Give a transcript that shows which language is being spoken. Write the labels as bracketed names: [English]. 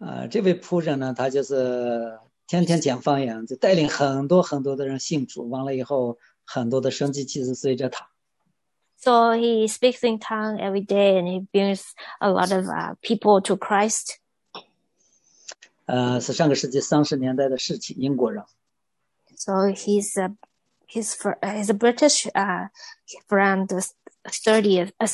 [Chinese] 这位仆人呢，他就是天天讲方言，就带领很多很多的人信主。完了以后，很多的生机其实随着他。 [English] So he speaks in tongue every day, and he brings a lot of people to Christ. [Chinese] 是上个世纪30年代的事情，英国人。 [English] So he's a British from the 30th.